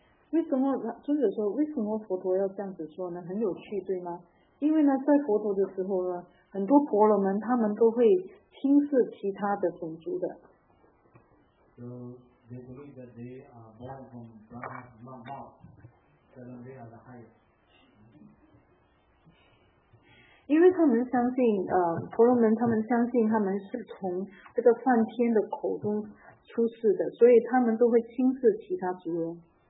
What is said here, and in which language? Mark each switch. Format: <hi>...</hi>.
<zh>为什么尊者说为什么佛陀要这样子说呢？很有趣，对吗？因为呢，在佛陀的时候呢，很多婆罗门他们都会轻视其他的种族的。</zh> <en>So they believe that they are born from Brahman's mouth, that they are the highest.</en> <zh>因为他们相信，婆罗门他们相信他们是从这个梵天的口中出世的，所以他们都会轻视其他族人。</zh>